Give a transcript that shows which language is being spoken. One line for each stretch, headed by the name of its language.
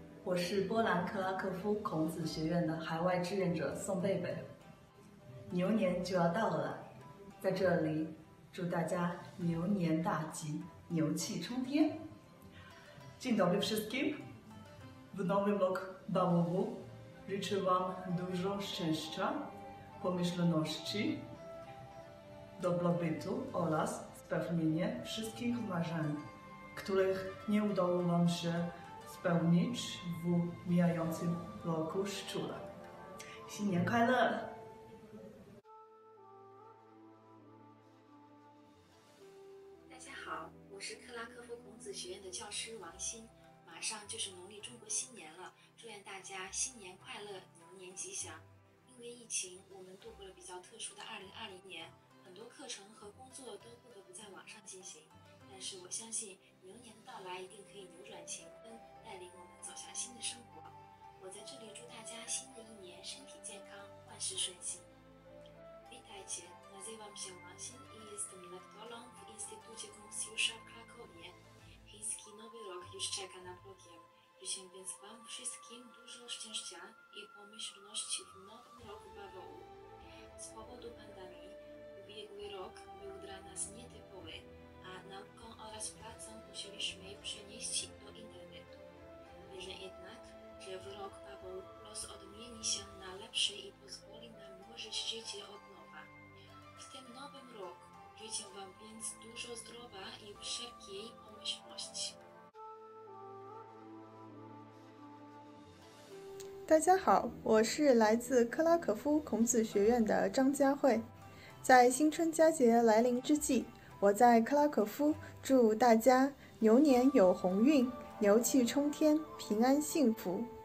Chinese: 我是波兰克拉科夫孔子学院的海外志愿者宋贝贝。牛年就要到了，在这里祝大家牛年大吉，牛气冲天。
Polish: Dzień dobry wszystkim. W nowym roku bawowym życzę wam dużo szczęścia, pomyślności, dobrobytu oraz spełnienie wszystkich marzeń, których nie udało wam się spełnić w mijającym roku szczura.
Chinese: 新年快乐！大家好，我是克拉科夫孔子学院的教师王欣。马上就是农历中国新年了，祝愿大家新年快乐，牛年吉祥。因为疫情，我们度过了比较特殊的2020年，很多课程和工作都不得不在网上进行。但是我相信牛年的到来一定可以扭转乾坤，带领我们走向新的生活。我在这里祝大家新的一年身体健康，万事顺心。
Polish: Witajcie, nazywam się Marcin i jestem lektorem w Instytucie Konfucjusza w Krakowie. Chiński nowy rok już czeka na progiem. Życzę więc wam wszystkim dużo szczęścia i pomyślności w nowym roku bawołu. Z powodu pandemii ubiegły rok był dla nas nietypowy, a nauką oraz pracą musieliśmy przenieść do internetu. Wierzę jednak, że w rok bawoł los odmieni się na lepsze i pozwoli nam ułożyć życie od nowa. W tym nowym roku życzę wam więc dużo zdrowia i wszelkiej pomyślności.
Chinese: 大家好，我是来自克拉科夫孔子学院的张佳慧。在新春佳节来临之际，我在克拉科夫祝大家牛年有鸿运，牛气冲天，平安幸福。